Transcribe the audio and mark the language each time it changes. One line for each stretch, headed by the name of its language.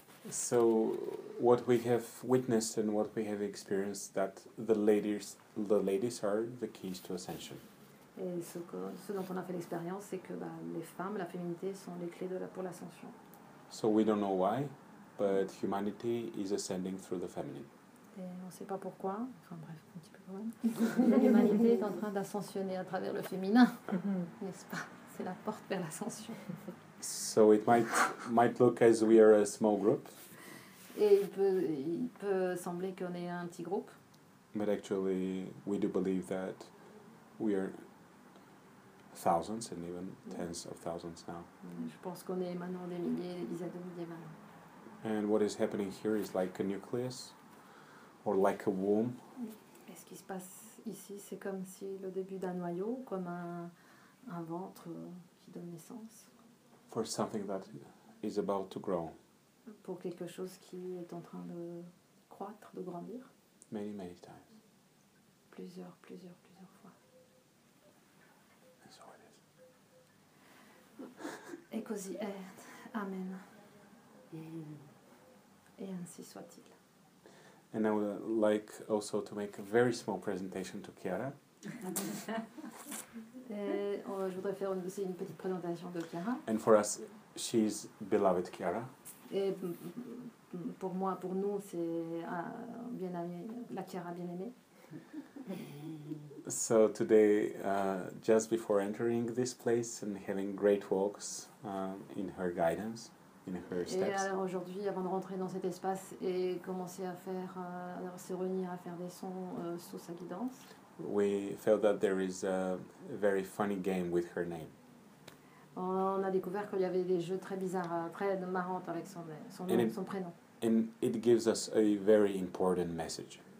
English: So, what we have witnessed and what we have experienced that the ladies are the keys to ascension.
French: Et ce dont on a fait l'expérience, c'est que bah, les femmes, la féminité, sont les clés de la, pour l'ascension.
English: So we don't know why, but humanity is ascending through the feminine.
French: Et on ne sait pas pourquoi. Enfin bref, un petit peu quand même. L'humanité est en train d'ascensionner à travers le féminin, n'est-ce pas? C'est la porte vers l'ascension.
English: So it might look as we are a small group.
French: Et il peut sembler qu'on est un petit groupe.
English: But actually, we do believe that we are thousands and even tens of thousands now.
French: Je pense qu'on est maintenant des milliers, des dizaines de milliers maintenant.
English: And what is happening here is like a nucleus, or like a womb.
French: Et ce qui se passe ici, c'est comme si le début d'un noyau, comme un ventre qui donne naissance.
English: For something that is about to grow.
French: Pour quelque chose qui est en train de croître, de grandir.
English: Many, many times.
French: Plusieurs fois.
English: And so it is.
Italian: Et così è. Amen.
French: Et ainsi soit-il.
English: And I would like also to make a very small presentation to Chiara.
French: Je voudrais faire aussi une petite présentation de Chiara.
English: And for us, she's beloved Chiara.
French: Et pour moi, pour nous, c'est bien aimée, la Chiara bien aimée.
English: So today, just before entering this place and having great walks in her guidance, in her steps.
French: Et alors aujourd'hui, avant de rentrer dans cet espace et commencer à faire, se réunir à faire des sons sous sa guidance.
English: We felt that there is a very funny game with her name.
French: On a découvert qu'il y avait des jeux très bizarres, très marrants avec son prénom.
English: And it gives us a very important message.